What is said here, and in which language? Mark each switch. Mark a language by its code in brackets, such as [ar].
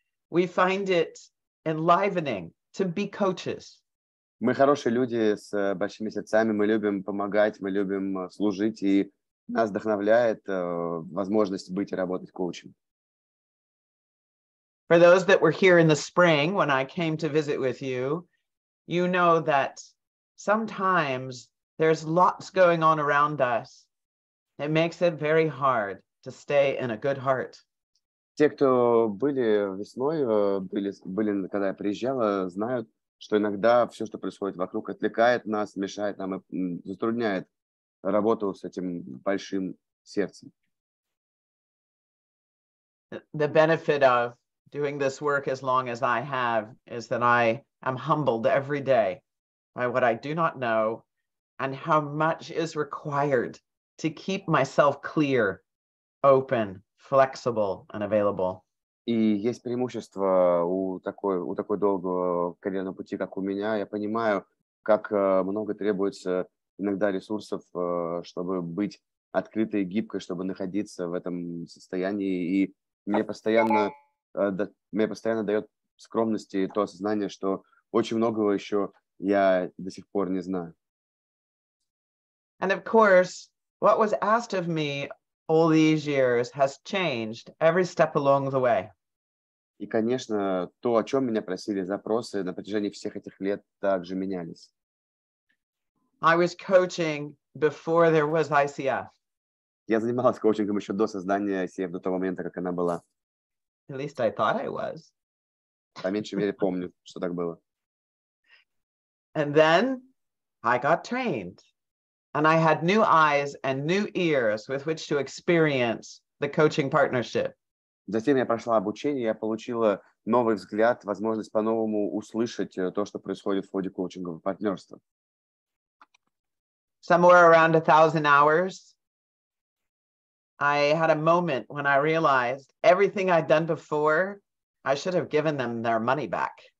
[en] We find it enlivening to be coaches. [ru] Мы хорошие люди с большими сердцами. Мы любим помогать, мы любим служить, и нас вдохновляет возможность быть и работать коучем. [en] For those that were here in the spring when I came to visit with you, you know that sometimes there's lots going on around us. It makes it very hard to stay in a good heart. [ru] Те, кто были весной, были, когда я приезжала, знают, что иногда все, что происходит вокруг, отвлекает нас, мешает нам и затрудняет работу с этим большим сердцем. [en] The benefit of doing this work as long as I have is that I am humbled every day by what I do not know and how much is required to keep myself clear, open, flexible, and available. [ru] И есть преимущество у такой долгого карьерного пути, как у меня. Я понимаю, как много требуется иногда ресурсов, чтобы быть открытой и гибкой, чтобы находиться в этом состоянии. И мне постоянно дает скромности то осознание, что очень многого еще я до сих пор не знаю. [en] And of course, what was asked of me all these years has changed every step along the way. [ru] И, конечно, то, о чем меня просили запросы на протяжении всех этих лет, также менялись. [en] I was coaching before there was ICF. [ru] Я занималась коучингом еще до создания ICF, до того момента, как она была. [en] At least I thought I was. [ru] По меньшей мере, помню, что так было. [en] And then I got trained. And I had new eyes and new ears with which to experience the coaching partnership. [ru] Затем я прошла обучение, я получила новый взгляд, возможность по-новому услышать то, что происходит в ходе коучингового партнерства. [en] Somewhere around 1,000 hours, I had a moment when I realized everything I'd done before, I should have given them their money back.